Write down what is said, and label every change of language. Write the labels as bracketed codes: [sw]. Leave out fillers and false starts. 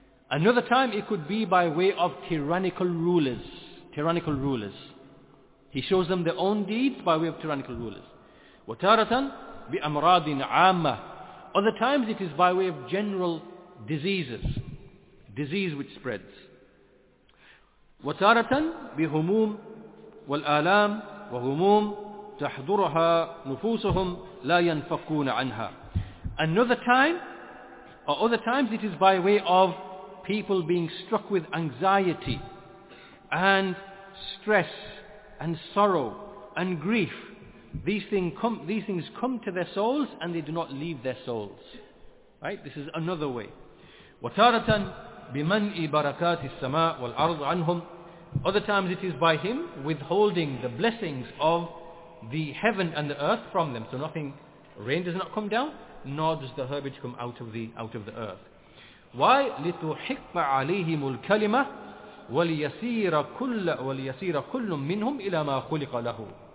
[en] Another time it could be by way of tyrannical rulers. Tyrannical rulers. He shows them their own deeds by way of tyrannical rulers. [ar] وَتَارَةً بِأَمْرَاضٍ عَامَّةٍ. [en] Other times it is by way of general diseases. Disease which spreads. [ar] وَتَارَةً بِهُمُومٍ والآلام وهموم تحضرها نفوسهم لا ينفقون عنها. [en] Another time, or other times, it is by way of people being struck with anxiety and stress and sorrow and grief. These things come to their souls and they do not leave their souls. Right? This is another way. [ar] وتارة بمنع بركات السماء والأرض عنهم. [en] Other times it is by him withholding the blessings of the heaven and the earth from them. So nothing, rain does not come down, nor does the herbage come out of the earth. Why? [ar] لِتُحِقَّ عَلَيْهِمُ الْكَلِمَةِ وَلِيَسِيرَ كُلٌّ مِّنْهُمْ إِلَى مَا خُلِقَ لَهُ.